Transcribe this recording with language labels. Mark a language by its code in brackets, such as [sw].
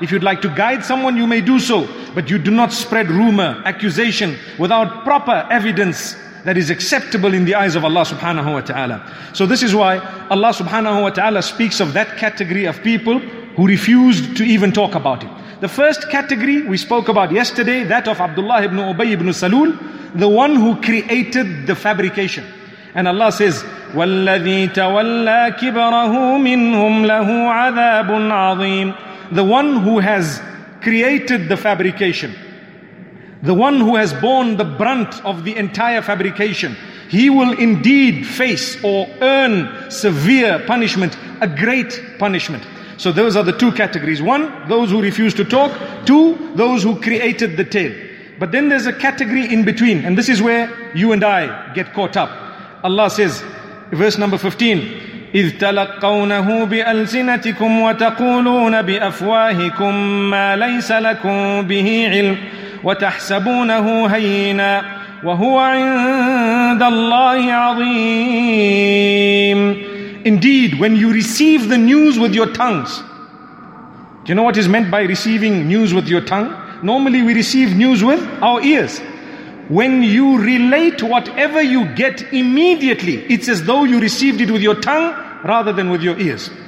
[en] If you'd like to guide someone, you may do so. But you do not spread rumor, accusation, without proper evidence that is acceptable in the eyes of Allah subhanahu wa ta'ala. So this is why Allah subhanahu wa ta'ala speaks of that category of people who refused to even talk about it. The first category we spoke about yesterday, that of Abdullah ibn Ubay ibn Salul, the one who created the fabrication. And Allah says, [ar] وَالَّذِي تَوَلَّى كِبَرَهُ مِنْهُمْ لَهُ عَذَابٌ عَظِيمٌ. [en] The one who has created the fabrication, the one who has borne the brunt of the entire fabrication, he will indeed face or earn severe punishment, a great punishment. So those are the two categories. One, those who refuse to talk. Two, those who created the tale. But then there's a category in between, and this is where you and I get caught up. Allah says, verse number 15, [ar] إِذْ تَلَقَّوْنَهُ بِأَلْسِنَتِكُمْ وَتَقُولُونَ بِأَفْوَاهِكُمْ مَا لَيْسَ لَكُمْ بِهِ عِلْمٌ وَتَحْسَبُونَهُ هَيِّنًا وَهُوَ عِنْدَ اللَّهِ عَظِيمٌ. [en] Indeed, when you receive the news with your tongues, do you know what is meant by receiving news with your tongue? Normally we receive news with our ears. When you relate whatever you get immediately, it's as though you received it with your tongue rather than with your ears.